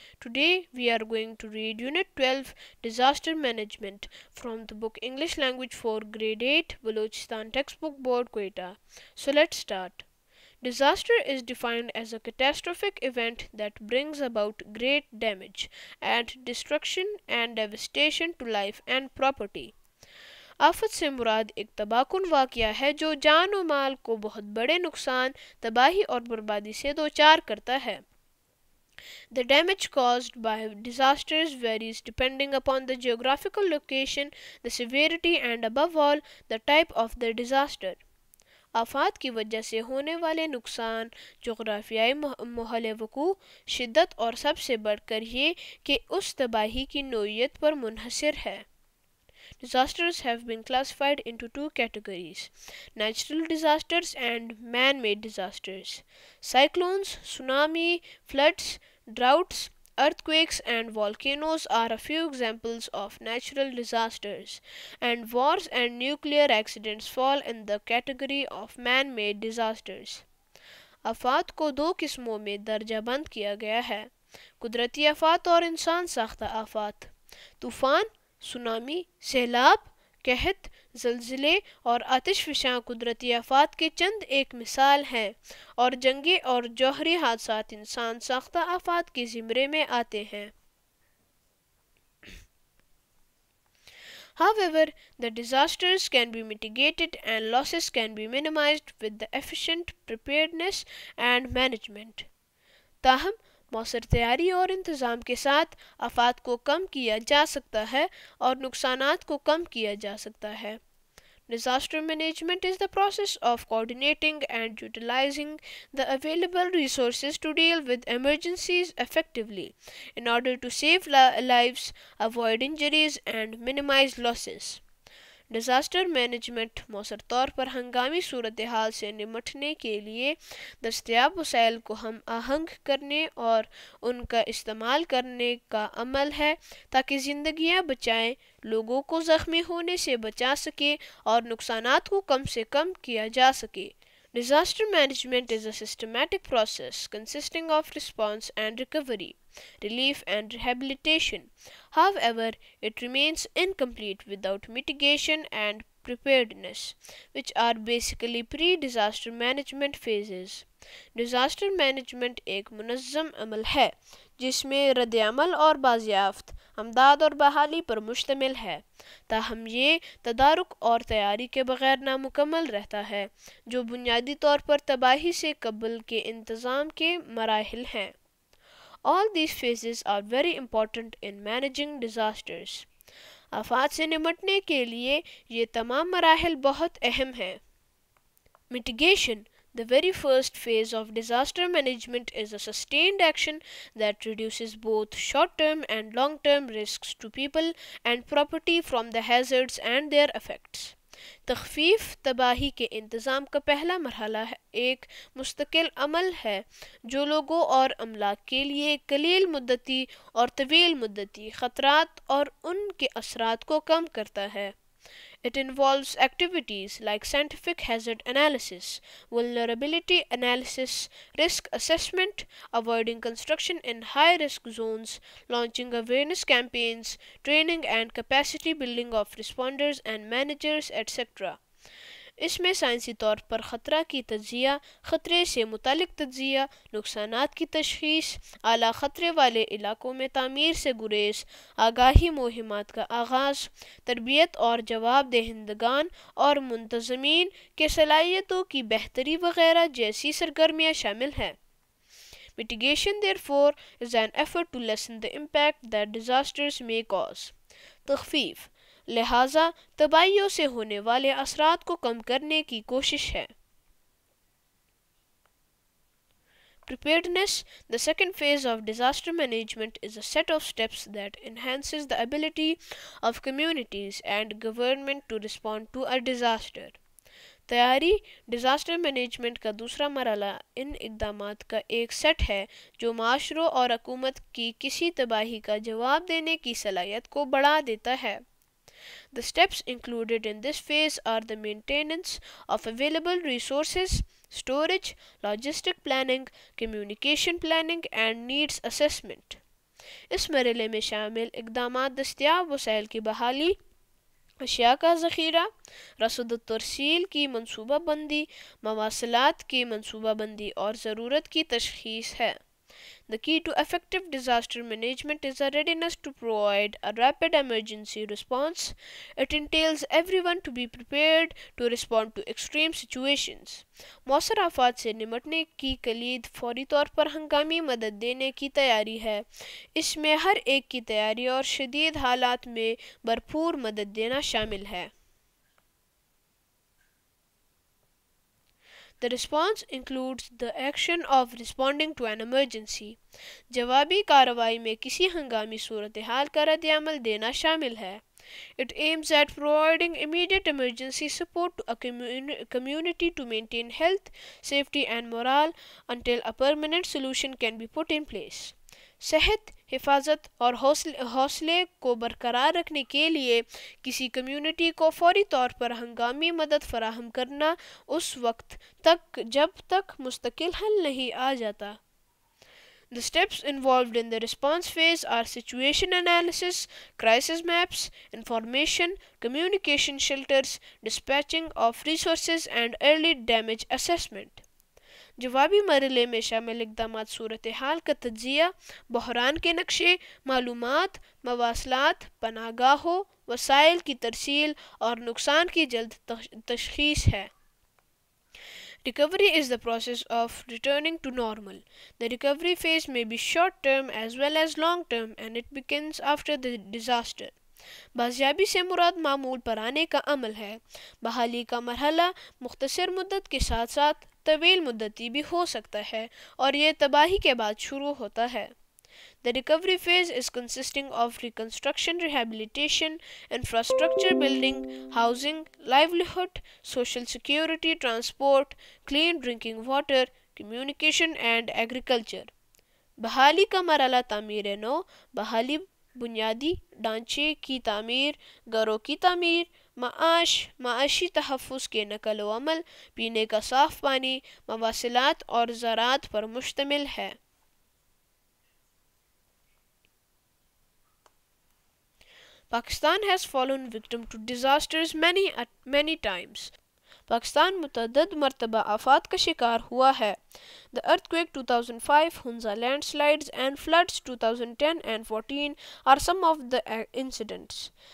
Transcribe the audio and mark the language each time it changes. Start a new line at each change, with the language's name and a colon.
English: Today we are going to read Unit 12, Disaster Management, from the book English Language for Grade 8, Balochistan Textbook Board, Quetta. So let's start. Disaster is defined as a catastrophic event that brings about great damage and destruction and devastation to life and property.
Urdu: آفت سے مراد ایک تباکن واقعہ ہے جو جان و مال کو بہت بڑے نقصان، تباہی اور بربادی سے دوچار کرتا ہے.
English: The damage caused by disasters varies depending upon the geographical location, the severity and above all, the type of the disaster.
Urdu: آفات کی وجہ سے ہونے والے نقصان، جغرافیائی محل وقوع، شدت اور سب سے بڑھ کر یہ کہ اس تباہی کی نوعیت پر منحصر ہے.
English: Disasters have been classified into two categories, natural disasters and man-made disasters. Cyclones, tsunami, floods, droughts, earthquakes and volcanoes are a few examples of natural disasters, and wars and nuclear accidents fall in the category of man-made disasters.
Urdu: آفات کو دو قسموں میں درجہ بند کیا گیا ہے، قدرتی آفات اور انسان ساختہ آفات. طوفان، سونامی، سیلاب، قحط، زلزلے اور آتش فشاں قدرتی آفات کے چند ایک مثال ہیں، اور جنگیں اور جوہری حادثات انسان ساختہ آفات کے زمرے میں آتے ہیں.
English: However, the disasters can be mitigated and losses can be minimized with the efficient preparedness and management.
Urdu: تاہم موثر تیاری اور انتظام کے ساتھ آفات کو کم کیا جا سکتا ہے اور نقصانات کو کم کیا جا سکتا ہے.
English: Disaster management is the process of coordinating and utilizing the available resources to deal with emergencies effectively in order to save lives, avoid injuries and minimize losses.
Urdu: Disaster management موثر طور پر ہنگامی صورتحال سے نمٹنے کے لیے دستیاب وسائل کو ہم آہنگ کرنے اور ان کا استعمال کرنے کا عمل ہے تاکہ زندگیاں بچائیں، لوگوں کو زخمی ہونے سے بچا سکے اور نقصانات کو کم سے کم کیا جا سکے.
English: Disaster management is a systematic process consisting of response and recovery, relief and rehabilitation. However, it remains incomplete without mitigation and preparedness, which are basically pre-disaster management phases.
Urdu: Disaster management ایک منظم عمل ہے جس میں رد عمل اور بازیافت، امداد اور بحالی پر مشتمل ہے، تاہم یہ تدارک اور تیاری کے بغیر نامکمل رہتا ہے جو بنیادی طور پر تباہی سے قبل کے انتظام کے مراحل ہیں.
English: All these phases are very important in managing disasters.
Urdu: آفات سے نمٹنے کے لیے یہ تمام مراحل بہت اہم ہیں.
English: Mitigation, the very first phase of disaster management, is a sustained action that reduces both short-term and long-term risks to people and property from the hazards and their effects.
Urdu: تخفیف تباہی کے انتظام کا پہلا مرحلہ ایک مستقل عمل ہے جو لوگوں اور املاک کے لیے قلیل مدتی اور طویل مدتی خطرات اور ان کے اثرات کو کم کرتا ہے.
English: It involves activities like scientific hazard analysis, vulnerability analysis, risk assessment, avoiding construction in high-risk zones, launching awareness campaigns, training and capacity building of responders and managers, etc.
Urdu: اس میں سائنسی طور پر خطرہ کی تجزیہ، خطرے سے متعلق تجزیہ، نقصانات کی تشخیص، اعلیٰ خطرے والے علاقوں میں تعمیر سے گریز، آگاہی مہمات کا آغاز، تربیت اور جواب دہندگان اور منتظمین کے صلاحیتوں کی بہتری وغیرہ جیسی سرگرمیاں شامل ہیں.
English: Mitigation, therefore, is an effort to lessen the impact that disasters may cause.
Urdu: تخفیف، لہٰذا تباہیوں سے ہونے والے اثرات کو کم کرنے کی کوشش ہے.
English: Preparedness, the second phase of disaster management, is a set of steps that enhances the ability of communities and government to respond to a disaster.
Urdu: تیاری ڈیزاسٹر مینجمنٹ کا دوسرا مرحلہ ان اقدامات کا ایک سیٹ ہے جو معاشروں اور حکومت کی کسی تباہی کا جواب دینے کی صلاحیت کو بڑھا دیتا ہے.
English: The steps included in this phase are the maintenance of available resources, storage, logistic planning, communication planning and needs assessment.
Urdu: اس مرحلے میں شامل اقدامات دستیاب وسائل کی بحالی، اشیاء کا ذخیرہ، رسد و ترسیل کی منصوبہ بندی، مواصلات کی منصوبہ بندی اور ضرورت کی تشخیص ہے.
English: The key to effective disaster management is a readiness to provide a rapid emergency response. It entails everyone to be prepared to respond to extreme situations.
Urdu: موثر آفات سے نمٹنے کی کلید فوری طور پر ہنگامی مدد دینے کی تیاری ہے. اس میں ہر ایک کی تیاری اور شدید حالات میں بھرپور مدد دینا شامل ہے.
English: The response includes the action of responding to an emergency.
Urdu: جوابی کارروائی میں کسی ہنگامی صورتحال کا رد عمل دینا شامل ہے.
English: It aims at providing immediate emergency support to a community to maintain health, safety and morale until a permanent solution can be put in place.
Urdu: صحت، حفاظت اور حوصلے کو برقرار رکھنے کے لیے کسی کمیونٹی کو فوری طور پر ہنگامی مدد فراہم کرنا اس وقت تک جب تک مستقل حل نہیں آ جاتا.
English: The steps involved in the response phase are situation analysis, crisis maps, information, communication shelters, dispatching of resources and early damage assessment.
Urdu: جوابی مرحلے میں شامل اقدامات صورتحال کا تجزیہ، بحران کے نقشے، معلومات، مواصلات، پناہ گاہوں، وسائل کی ترسیل اور نقصان کی جلد تشخیص ہے.
English: Recovery is the process of returning to normal. The recovery phase may be short term as well as long term and it begins after the disaster.
Urdu: بازیابی سے مراد معمول پر آنے کا عمل ہے. بحالی کا مرحلہ مختصر مدت کے ساتھ ساتھ طویل مدتی بھی ہو سکتا ہے اور یہ تباہی کے بعد شروع ہوتا ہے.
English: The recovery phase is consisting of reconstruction, rehabilitation, infrastructure building, housing, livelihood, social security, transport, clean drinking water, communication and agriculture.
Urdu: بحالی کا مرحلہ تعمیر نو، بحالی بنیادی ڈانچے کی تعمیر، گھروں کی تعمیر، معاش، معاشی تحفظ کے نقل و عمل، پینے کا صاف پانی، مواصلات اور زراعت پر مشتمل ہے.
English: Pakistan has fallen victim to disasters many times.
Urdu: Pakistan متعدد مرتبہ آفات کا شکار ہوا ہے.
English: The earthquake 2005, Hunza landslides and floods 2010 and 14 are some of the incidents.